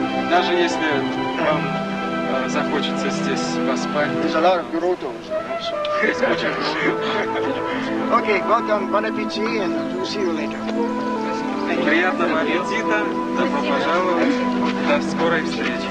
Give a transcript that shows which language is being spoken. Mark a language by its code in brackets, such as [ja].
[ru] Даже если вам захочется здесь поспать. [en] There's a lot of grotto. Okay, welcome, bon appétit, and we'll see you later. [ru] Приятного аппетита, добро пожаловать, до скорой встречи.